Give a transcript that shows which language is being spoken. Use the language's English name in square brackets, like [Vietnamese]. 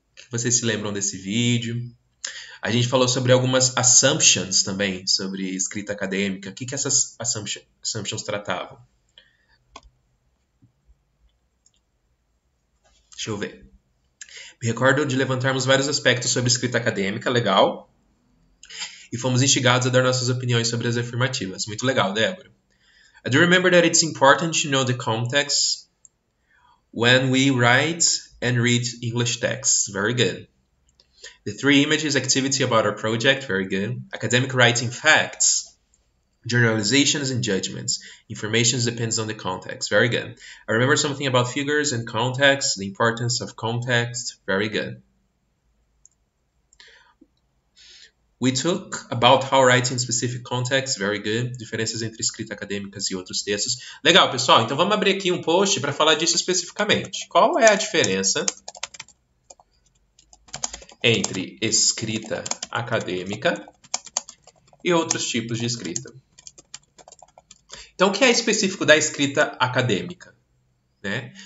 [Portuguese] Vocês se lembram desse vídeo? A gente falou sobre algumas assumptions também, sobre escrita acadêmica. O que que essas assumptions tratavam? Deixa eu ver. Me recordo de levantarmos vários aspectos sobre escrita acadêmica, legal. E fomos instigados a dar nossas opiniões sobre as afirmativas. Muito legal, Débora. [English] I do remember that it's important to know the context when we write and read English texts. Very good. The three images activity about our project. Very good. Academic writing facts, generalizations and judgments. Information depends on the context. Very good. I remember something about figures and context, the importance of context. Very good. We took about how writing specific contexts, very good. [Portuguese] Diferenças entre escrita acadêmica e outros textos. Legal, pessoal. Então vamos abrir aqui um post para falar disso especificamente. Qual é a diferença entre escrita acadêmica e outros tipos de escrita? Então, o que é específico da escrita acadêmica? Né?